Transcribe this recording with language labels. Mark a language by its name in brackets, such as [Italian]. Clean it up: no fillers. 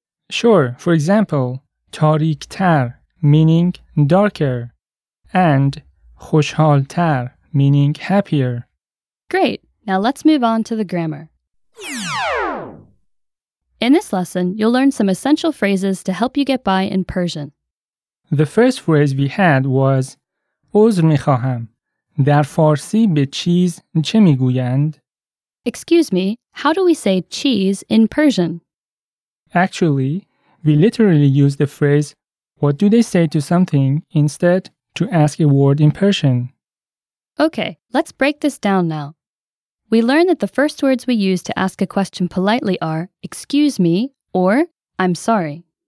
[English] Sure. For example, تاریکتر, meaning darker, and خوشحالتر, meaning happier. Great. Now let's move on to the grammar. In this lesson, you'll learn some essential phrases to help you get by in Persian. The first phrase we had was [Persian] عذر میخواهم. در فارسی به چیز چه میگویند؟ [English] Excuse me, how do we say cheese in Persian? Actually, we literally use the phrase, what do they say to something, instead to ask a word in Persian. Okay, let's break this down now. We learn that the first words we use to ask a question politely are, excuse me, or I'm sorry.